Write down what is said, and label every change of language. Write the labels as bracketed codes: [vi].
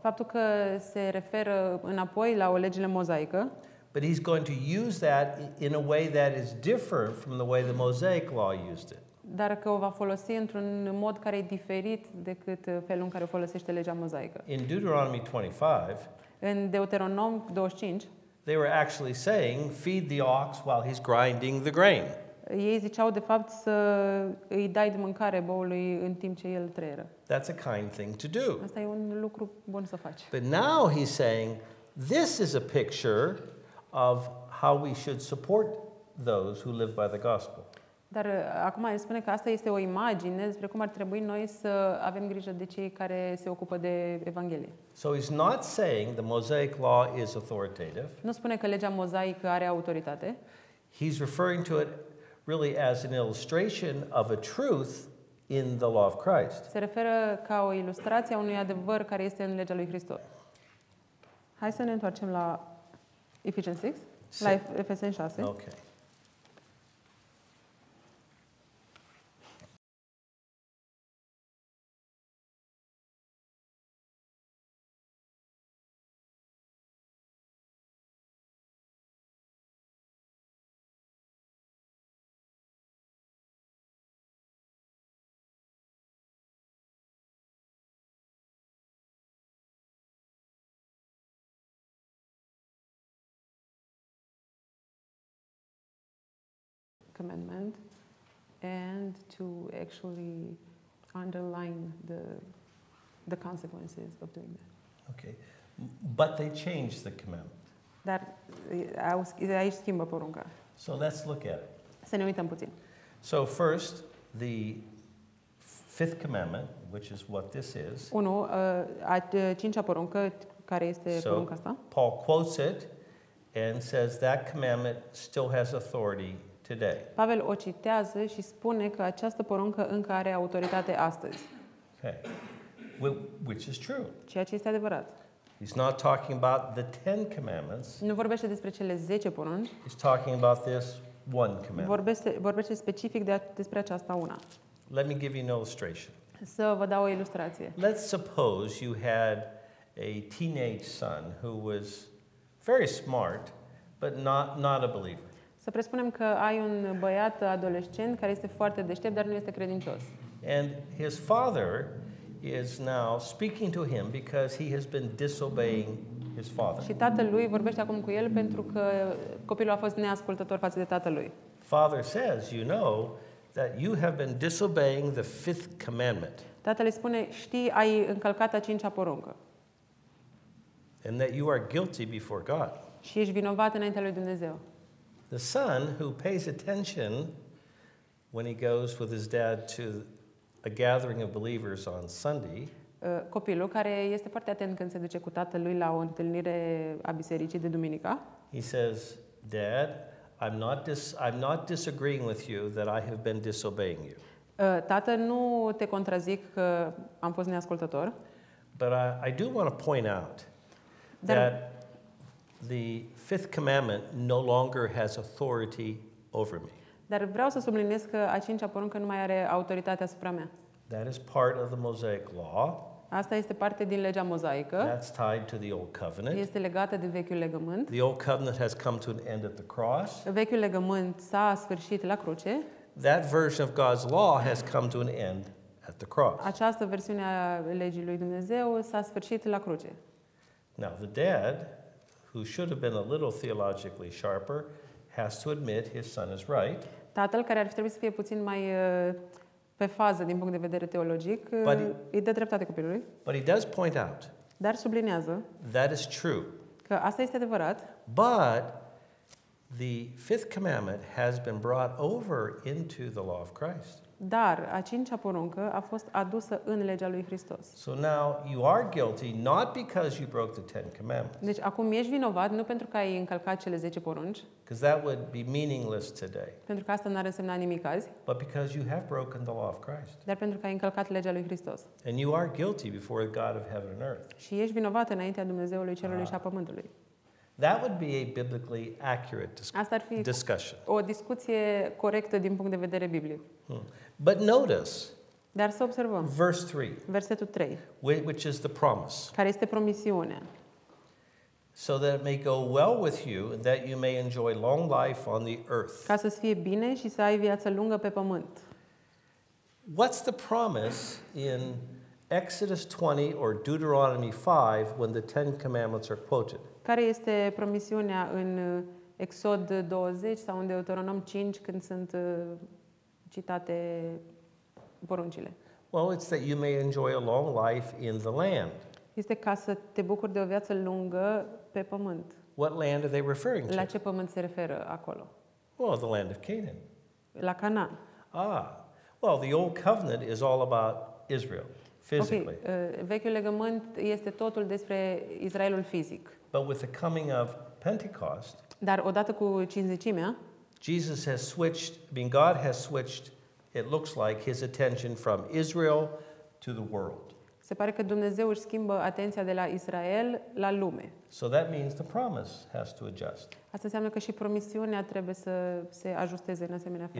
[ro] Faptul că se referă înapoi la o legile mozaică. [en] But he's going to use that in a way that is different from the way the Mosaic law used it. [ro] Dar că o va folosi într-un mod care e diferit decât felul în care o folosește legea mozaică. [en] In Deuteronomy 25, [ro] în Deuteronom 25, [en] they were actually saying, feed the ox while he's grinding the grain. [ro] Ei ziceau de fapt să îi dai de mâncare boului în timp ce el trăiră. [en] That's a kind thing to do. [ro] Asta e un lucru bun să faci. [en] But now he's saying, this is a picture of how we should support those who live by the gospel. [ro] Dar acum el spune că asta este o imagine despre cum ar trebui noi să avem grijă de cei care se ocupă de evanghelie. [en] So he's not saying the Mosaic law is authoritative. [ro] Nu spune că legea mozaică are autoritate. [en] He's referring to it really as an illustration of a truth in the law of Christ. [ro] Se referă ca o ilustrație a unui adevăr care este în legea lui Hristos. Hai să ne întoarcem la Ephesians 6, la Efeseni 6. [en] Okay. Commandment and to actually underline the consequences of doing that. Okay, but they changed the commandment. [ro] Dar aici schimbă porunca. [en] So let's look at it. [ro] Să ne uităm puțin. [en] So first, the fifth commandment, which is what this is. [ro] Unu, a cincea poruncă, care este porunca asta. [en] So Paul quotes it and says that commandment still has authority today. [ro] Pavel o citează și spune că această poruncă încă are autoritate astăzi. [en] Okay. Well, which is true. [ro] Ceea ce este adevărat. [en] He's not talking about the 10 commandments. [ro] Nu vorbește despre cele 10 porunci. [en] He's talking about this one commandment. [ro] Vorbește specific despre aceasta una. [en] Let me give you an illustration. [ro] Să vă dau o ilustrație. [en] Let's suppose you had a teenage son who was very smart, but not a believer. [ro] Să presupunem că ai un băiat adolescent care este foarte deștept, dar nu este credincios. [en] And his father is now speaking to him because he has been disobeying his father. [ro] Și tatălui vorbește acum cu el pentru că copilul a fost neascultător față de tatălui. [en] Father says, you know that you have been disobeying the fifth commandment. [ro] Tatăl îi spune, știi, ai încălcat a cincea poruncă. [en] And that you are guilty before God. [ro] Și ești vinovat înaintea lui Dumnezeu. [en] The son who pays attention when he goes with his dad to a gathering of believers on Sunday. [ro] Copilul care este foarte atent când se duce cu tatălui la o întâlnire a bisericii de duminică. [en] He says, "Dad, I'm not disagreeing with you that I have been disobeying you." [ro] Tată, nu te contrazic că am fost neascultător. [en] But I do want to point out that the fifth commandment no longer has authority over me. [ro] Dar vreau să subliniez că a cincea poruncă nu mai are autoritate asupra mea. [en] That is part of the Mosaic law. [ro] Asta este parte din legea mozaică. [en] That's tied to the old covenant. [ro] Este legată de vechiul legământ. [en] The old covenant has come to an end at the cross. [ro] Vechiul legământ s-a sfârșit la cruce. [en] That version of God's law has come to an end at the cross. [ro] Această versiune a legii lui Dumnezeu s-a sfârșit la cruce. [en] Now the dad, who should have been a little theologically sharper, has to admit his son is right. [ro] Tatăl care ar fi trebuit să fie puțin mai pe fază din punct de vedere teologic, îi dă dreptate copilului. [en] But he does point out. [ro] Dar sublinează. [en] That is true. [ro] Că asta este adevărat. [en] But the fifth commandment has been brought over into the law of Christ. [ro] Dar a cincea poruncă a fost adusă în legea lui Hristos. [en] So now you are guilty not because you broke the Ten Commandments. [ro] Deci acum ești vinovat nu pentru că ai încălcat cele 10 porunci. [en] Because that would be meaningless today. [ro] Pentru că asta n-ar însemna nimic azi. [en] But because you have broken the law of Christ. [ro] Dar pentru că ai încălcat legea lui Hristos. [en] And you are guilty before the God of heaven and earth. [ro] Și ești vinovat înaintea Dumnezeului Cerului și a Pământului. [en] That would be a biblically accurate discussion. [ro] Asta ar fi [en] discussion. [ro] O discuție corectă din punct de vedere biblic. [en] But notice. [ro] Dar să observăm. [en] Verse 3. [ro] Versetul 3. [en] Which is the promise. [ro] Care este promisiunea. [en] So that it may go well with you and that you may enjoy long life on the earth. [ro] Ca să -ți fie bine și să ai viață lungă pe pământ. [en] What's the promise in Exodus 20 or Deuteronomy 5 when the Ten Commandments are quoted? [ro] Care este promisiunea în Exod 20 sau în Deuteronom 5 când sunt citate poruncile? [en] Well, it's that you may enjoy a long life in the land. [ro] Este ca să te bucuri de o viață lungă pe pământ. [en] What land are they referring to? [ro] La ce pământ se referă acolo? [en] Well, the land of Canaan. [ro] La Canaan. Ah. [en] Well, the old covenant is all about Israel, physically. Okay. [ro] Vechiul legământ este totul despre Israelul fizic. [en] But with the coming of Pentecost, [ro] dar odată cu cinzecimea, [en] Jesus has switched, God has switched, it looks like, his attention from Israel to the world. [ro] Se pare că Dumnezeu își schimbă atenția de la Israel la lume. [en] So that means the promise has to adjust. [ro] Asta înseamnă că și promisiunea trebuie să se ajusteze în asemenea fel.